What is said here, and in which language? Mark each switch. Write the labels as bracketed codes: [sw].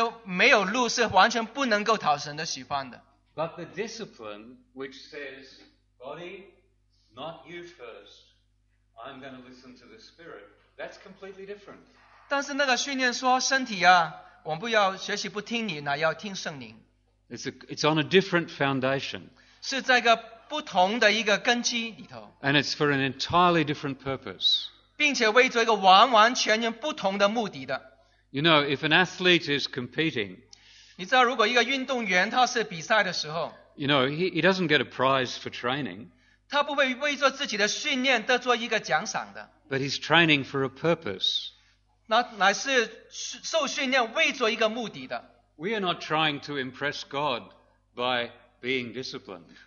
[zh] 你们这样自律、这样的训练自己都没有路，是完全不能够讨神的喜欢的。 [en] But the discipline which says, body, not you first, I'm going to listen to the Spirit, that's completely different. [zh] 但是那个训练说，身体啊，我们不要学习不听你，乃要听圣灵。 [en] It's on a different foundation. [zh] 是在一个不同的一个根基里头。 [en] And it's for an entirely different purpose. [zh] 并且为着一个完完全全不同的目的的。 [en] You know, if an athlete is competing, [zh] 你知道如果一个运动员他是比赛的时候, [en] you know, he doesn't get a prize for training. [zh] 他不会为着自己的训练得做一个奖赏的。 [en] But he's training for a purpose. [zh] 乃是受训练为着一个目的的。 [en] We are not trying to impress God by being disciplined.